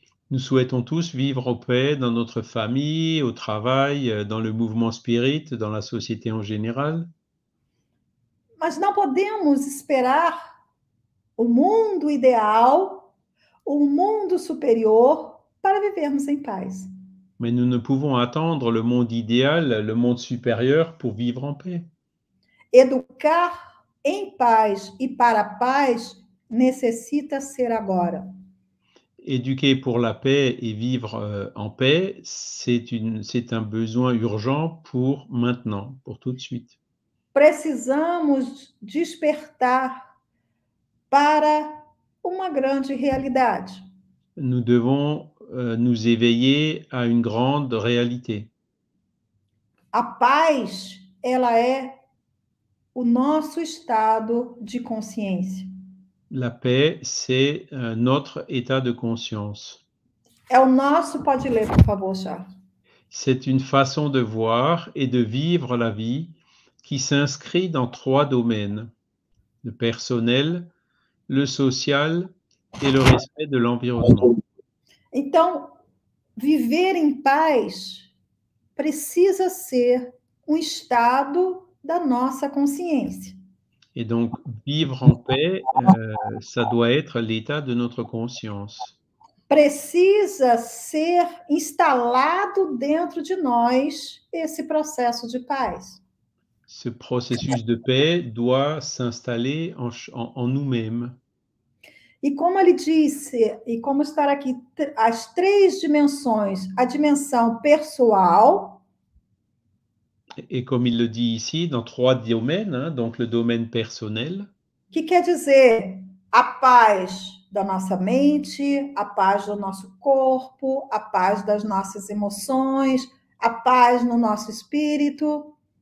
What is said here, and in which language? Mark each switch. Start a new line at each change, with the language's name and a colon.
French: Nous souhaitons tous vivre en paix dans notre famille, au travail, dans le mouvement spirite, dans la société en général.
Portuguese: Mas não podemos esperar o mundo ideal, o mundo superior, para vivermos em paz.
French: Mais nous ne pouvons attendre le monde idéal, le monde supérieur, pour vivre en paix.
Portuguese: Educar em paz e para a paz necessita ser agora.
French: Éduquer pour la paix et vivre en paix, c'est un besoin urgent pour maintenant, pour tout de suite.
Portuguese: Precisamos despertar para uma grande realidade.
French: Nous devons nous éveiller à une grande réalité.
Portuguese: A paz, ela é o nosso estado de consciência.
French: La paix, c'est notre état de conscience.
Portuguese: É o nosso, pode ler, por favor, Charles.
French: C'est une façon de voir et de vivre la vie qui s'inscrit dans trois domaines, le personnel, le social et le respect de l'environnement.
Portuguese: Então, viver em paz precisa ser um estado da nossa consciência.
French: Et donc, vivre en paix, ça doit être l'état de notre conscience.
Portuguese: Precisa ser instalado dentro de nós esse processo de paz.
French: Ce processus de paix doit s'installer en nous-mêmes.
Portuguese: E como ele disse, e como estar aqui, as três dimensões, a dimensão pessoal.
French: Et comme il le dit ici, dans trois domaines, hein, donc le domaine personnel,
Portuguese: Que quer dizer a paz da nossa mente, a paz do nosso corpo, a paz das nossas emoções, a paz no nosso espírito.